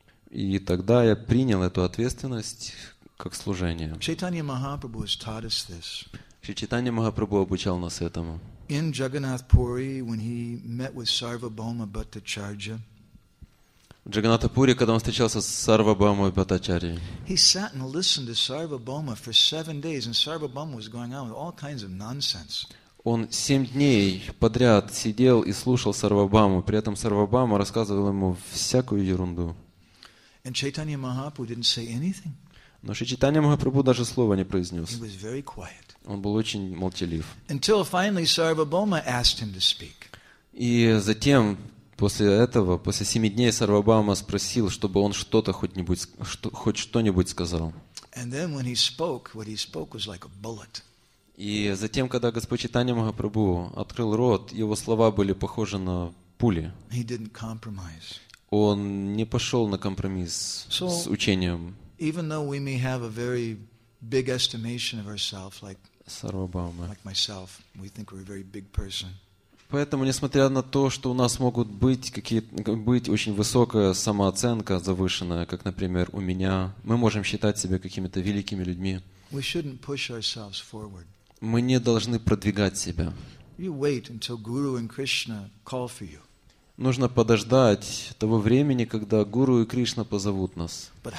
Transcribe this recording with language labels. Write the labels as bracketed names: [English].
[Russian] И тогда я принял эту ответственность, как служение. [English] Chaitanya Mahaprabhu has taught us this. [Russian] Шри Чайтанья Махапрабху обучал нас этому. [English] In Jagannath Puri, when he met with Sarvabhauma Bhattacharya, [Russian] в Джаганнатапуре, когда он встречался с Сарвабхаумой Бхаттачарьей, [English] he sat and listened to Sarvabhauma for 7 days, and Sarvabhauma was going on with all kinds of nonsense. [Russian] Он 7 дней подряд сидел и слушал Сарвабхауму, при этом Сарвабхаума рассказывал ему всякую ерунду. [English] And Chaitanya Mahaprabhu didn't say anything. [Russian] Но Шри Чайтанья Махапрабху даже слова не произнес. Он был очень молчалив. [English] Until finally Sarvabhauma asked him to speak. [Russian] И затем, после этого, после 7 дней, Сарвабхаума спросил, чтобы он что-то хоть что-нибудь сказал. [English] And then when he spoke, what he spoke was like a bullet. [Russian] И затем, когда Господь Чайтанья Махапрабху открыл рот, его слова были похожи на пули. [English] He didn't compromise. [Russian] Он не пошел на компромисс с учением. [English] Even though we may have a very big estimation of ourselves, like myself, we think we're a very big person. [Russian] Поэтому, несмотря на то, что у нас могут быть быть очень высокая самооценка, завышенная, как, например, у меня, мы можем считать себя какими-то великими людьми. [English] We shouldn't push ourselves forward. [Russian] Мы не должны продвигать себя. [English] You wait until Guru and Krishna call for you. [Russian] Нужно подождать того времени, когда Гуру и Кришна позовут нас.